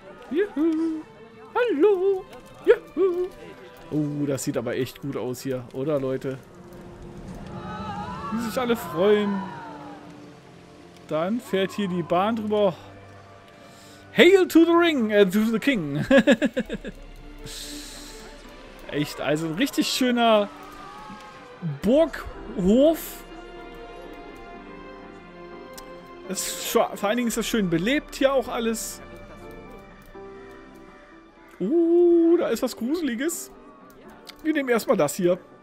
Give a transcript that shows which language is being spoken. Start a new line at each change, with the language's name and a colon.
German: Juhu. Hallo. Juhu. Oh, das sieht aber echt gut aus hier, oder Leute? Die sich alle freuen. Dann fährt hier die Bahn drüber.
English: Hail to the ring, to the king.
German: Echt, also ein richtig schöner Burghof. Vor allen Dingen ist das schön belebt hier auch alles. Da ist was Gruseliges. Wir nehmen erstmal das hier.